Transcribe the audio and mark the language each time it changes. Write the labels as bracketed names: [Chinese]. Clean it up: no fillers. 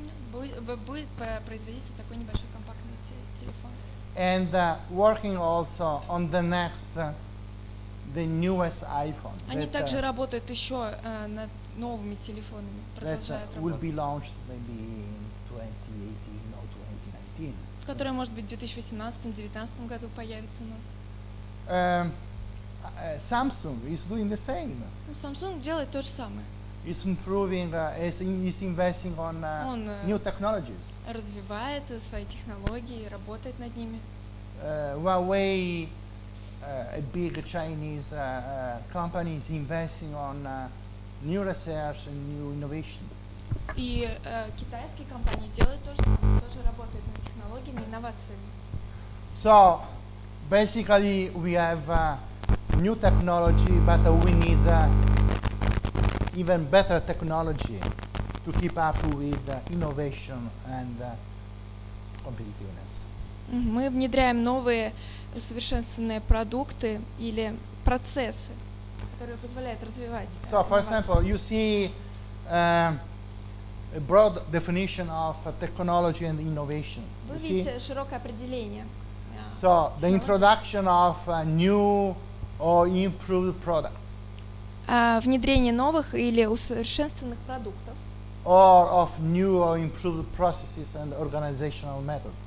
[Russian] Будет производиться такой небольшой компактный телефон. [English] And working also on the next, the newest iPhone. [Russian] Они также работают еще над новыми телефонами, продолжают работать. [English] Will be launched maybe in 2018 or 2019. [Russian] Которая может быть в 2018-2019 году появится у нас. [English] Samsung is doing the same. [Russian] Samsung делает то же самое. [English] Is improving, is investing on new technologies. [Russian] Развивает свои технологии, работает над ними. [English] Huawei a big Chinese company is investing on new research and new innovation. [Russian] И китайские компании делают то же самое, тоже работают над технологиями, инновациями. [English] So basically we have new technology, but we need even better technology to keep up with innovation and competitiveness. [Russian] Мы внедряем новые усовершенствованные продукты или процессы, которые позволяют развивать. [English] So, for example, you see a broad definition of technology and innovation. [Russian] Вы видите широкое определение. [English] So, the introduction of new or improved products. [Russian] Внедрение новых или усовершенствованных продуктов. [English] Or of new or improved processes and organizational methods.